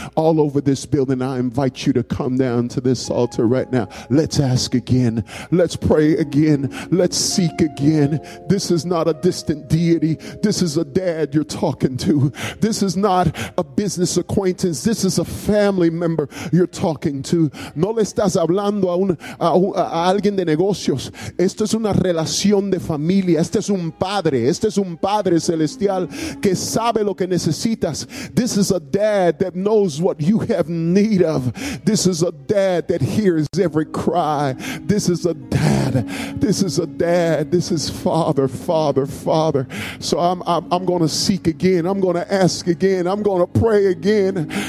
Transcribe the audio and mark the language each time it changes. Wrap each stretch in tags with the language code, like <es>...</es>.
<en>All over this building, I invite you to come down to this altar right now. Let's ask again. Let's pray again. Let's seek again. This is not a distant deity. This is a dad you're talking to. This is not a business acquaintance. This is a family member you're talking to.</en> <es>No le estás hablando a alguien de negocios. Esto es una relación de familia. Este es un padre. Este es un padre celestial que sabe lo que necesitas.</es> <en>This is a dad that knows what you have need of. This is a dad that hears every cry. This is a dad. This is a dad. This is father, father, father. So I'm going to seek again. I'm going to ask again. I'm going to pray again.</en>